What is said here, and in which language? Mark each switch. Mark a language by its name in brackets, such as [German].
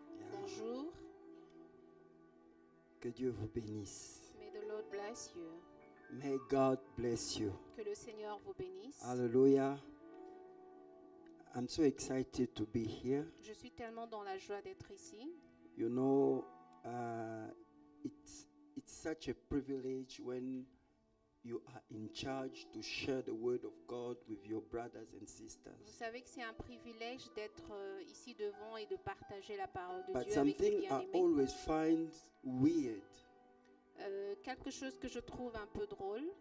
[French] Bonjour. Que Dieu vous bénisse. [English] May the Lord bless you. May God bless you. [French] Que le Seigneur vous bénisse. [English] Alléluia. I'm so excited to be here. [French] Je suis tellement dans la joie d'être ici. [English] You know, it's such a privilege when you are in charge to share the word of God with your brothers and sisters. [French] Vous savez que c'est un privilège d'être ici devant et de partager la parole de [English] But [French] Dieu [English] something [French] avec les bien-aimés. [English] I always find weird. [French] Quelque chose que je trouve un peu drôle.